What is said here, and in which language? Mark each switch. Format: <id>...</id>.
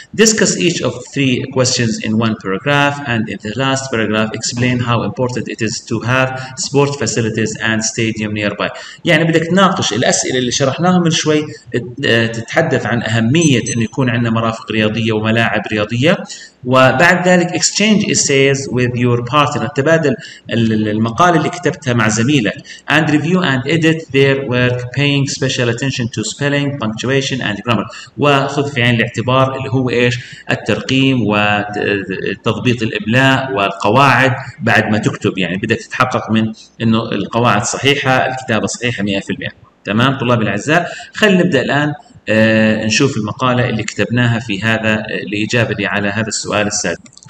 <en>discuss each of three questions in one paragraph and in the last paragraph explain how important it is to have sport facilities and stadium nearby.</en> <ar>يعني بدك تناقش الاسئله اللي شرحناها من شوي شوي تتحدث عن اهميه ان يكون عندنا مرافق رياضيه وملاعب رياضيه. وبعد ذلك</ar> <en>exchange essays with your partner،</en> <ar>تبادل المقال اللي كتبتها مع زميلك.</ar> <en>And review and edit their work paying special attention to spelling, punctuation and grammar.</en> <ar>وخذ في عين الاعتبار اللي هو ايش؟ الترقيم وتضبيط الإملاء والقواعد بعد ما تكتب، يعني بدك تتحقق من انه القواعد صحيحة، الكتابة صحيحة 100%. تمام طلابي الأعزاء، خلينا نبدأ الآن نشوف المقالة اللي كتبناها في هذا الإجابة لي على هذا السؤال السابق.</ar>